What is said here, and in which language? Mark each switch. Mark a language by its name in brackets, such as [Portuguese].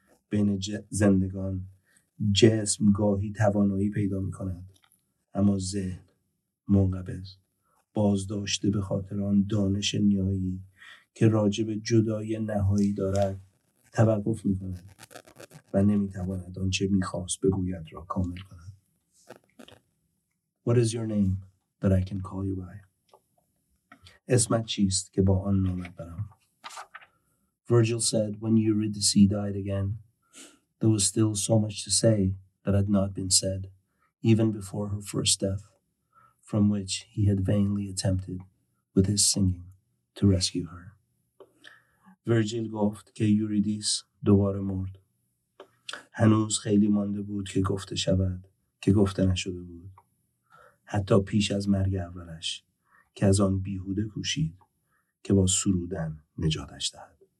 [Persian] بین زندگان جسم گاهی توانایی پیدا می‌کند، اما ذهن منقبض، باز داشته به خاطر آن دانش نهایی که راجب جدای نهایی دارد، توقف می‌کند و نمی‌تواند آنچه می‌خواست بگوید را کامل کند. [English] What is your name that I can call you by? [Persian] اسمت چیست که با آن نامت برم؟ [English] Virgil said when Eurydice died again, there was still so much to say that had not been said, even before her first death, from which he had vainly attempted, with his singing, to rescue her. [Persian] Virgil گفت که یوریدیس دوباره مرد. هنوز خیلی مانده بود که گفته شود که گفته نشده بود. حتی پیش از مرگ اولش که از آن بیهوده کوشید که با سرودن نجاتش دهد.